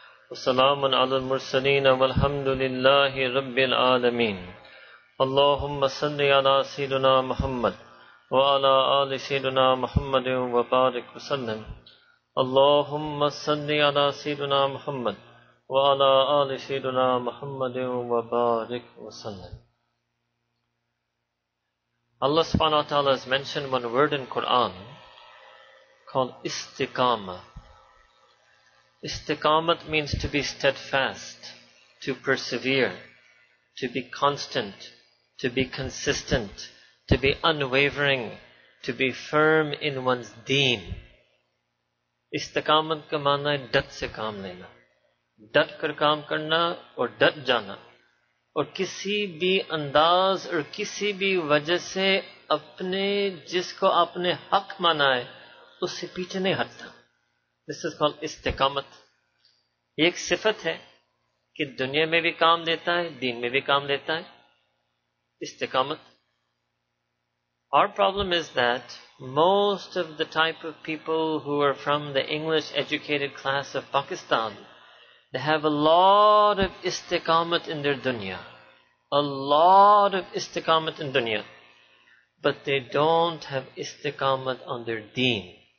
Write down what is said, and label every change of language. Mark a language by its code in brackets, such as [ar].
[ar] والسلام على المرسلين والحمد لله رب العالمين اللهم صل على سيدنا محمد وعلى آل سيدنا محمد وبارك وسلم اللهم صل على سيدنا محمد وعلى آل سيدنا محمد وبارك وسلم [en] Allah subhanahu wa ta'ala has mentioned one word in Quran called istiqamah. Istiqamah means to be steadfast, to persevere, to be constant, to be consistent, to be unwavering, to be firm in one's deen. [ur] Istiqamah ka maana hai dat se kaam lena. Dat kar kaam karna aur dat jana. اور کسی بھی انداز اور کسی بھی وجہ سے اپنے جس کو آپ نے حق مانا ہے اس سے پیچھے نہیں ہٹتا. [en] This is called استقامت. [ur] یہ ایک صفت ہے کہ دنیا میں بھی کام دیتا ہے, دین میں بھی کام دیتا ہے, استقامت. [en] Our problem is that most of the type of people who are from the English educated class of Pakistan, they have a lot of istiqamat in their dunya. A lot of istiqamat in dunya. But they don't have istiqamat on their deen.